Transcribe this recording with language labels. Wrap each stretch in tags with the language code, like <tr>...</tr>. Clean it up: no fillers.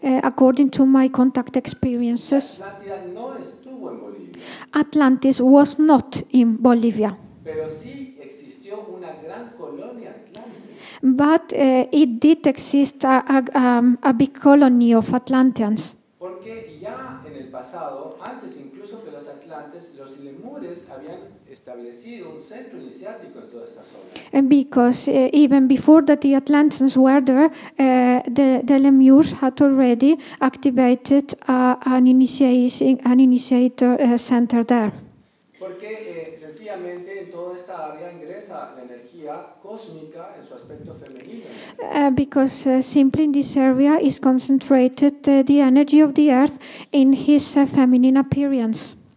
<en>according to my contact experiences,</en> <es>Atlantis no estuvo en Bolivia.</es> <en>Atlantis was not in Bolivia.</en> <es>Pero sí existió una gran colonia Atlantis.</es> <en>But it did exist a big colony of Atlanteans.</en> <es>Porque ya en el pasado, antes incluso que los Atlantes, los lemures habían establecido un centro iniciático en toda esta zona.</es> <en>And because even before that the Atlanteans were there, the lemures had already activated an initiator center there.</en> <es>Porque sencillamente en toda esta área ingresa la energía. energía cósmica en su aspecto femenino.</es> <en>Because simply in this area is concentrated the energy of the earth in his feminine appearance.</en>